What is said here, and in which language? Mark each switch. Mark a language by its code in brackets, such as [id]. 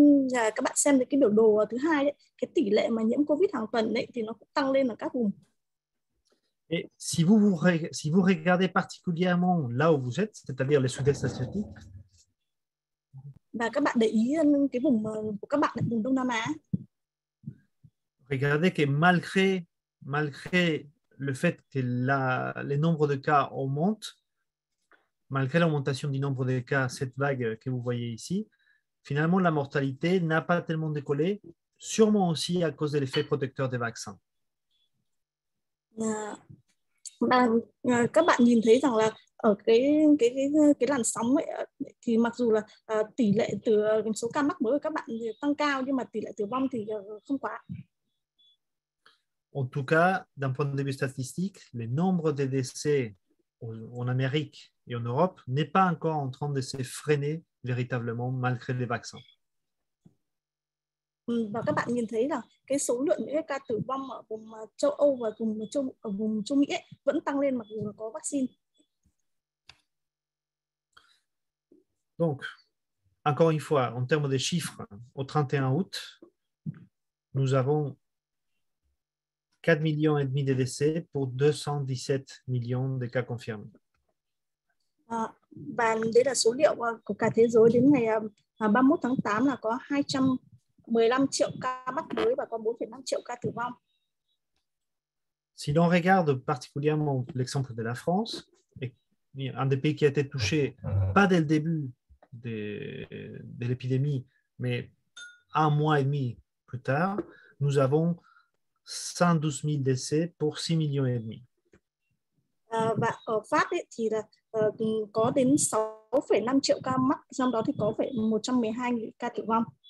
[vi] Các bạn xem cái biểu đồ thứ hai đấy, cái tỷ lệ mà nhiễm COVID hàng tuần đấy thì nó cũng tăng lên ở các vùng. [fr] Et si vous regardez particulièrement là où vous êtes, c'est-à-dire les sud-est asiatiques. [vi] Và các bạn để ý cái vùng của các bạn là vùng Đông Nam Á. [fr] Regardez que malgré le fait que les nombres de cas augmentent, malgré l'augmentation du nombre de cas, cette vague que vous voyez ici, finalement, la mortalité n'a pas tellement décollé, sûrement aussi à cause de l'effet protecteur des vaccins. [vi] Các bạn nhìn thấy rằng là ở cái làn sóng ấy, thì mặc dù là tỷ lệ từ số ca mắc mới của các bạn tăng cao nhưng mà tỷ lệ tử vong thì không quá. [fr] En tout cas, d'un point de vue statistique, le nombre de décès en Amérique et en Europe n'est pas encore en train de se freiner véritablement malgré les vaccins. [vi] Và các bạn nhìn thấy là cái số lượng những ca tử vong ở vùng châu Âu và vùng Trung Mỹ ấy, vẫn tăng lên mặc dù là có vaccine. [fr] Donc, encore une fois, en termes de chiffres, au 31 août, nous avons 4,5 millions de décès pour 217 millions de cas confirmés. [vi] Và đây là số liệu của cả thế giới đến ngày 31 tháng 8 là có 215 triệu ca mắc mới và có 4,5 triệu ca tử vong. [fr] Si l'on regarde particulièrement l'exemple de la France, un des pays qui a été touché, pas dès le début de l'épidémie, mais un mois et demi plus tard, nous avons 112 000 décès pour 6,5 millions. [vi] Và ở Pháp ấy, thì là có đến 6,5 triệu ca mắc, trong đó thì có phải 112 000 ca tử vong.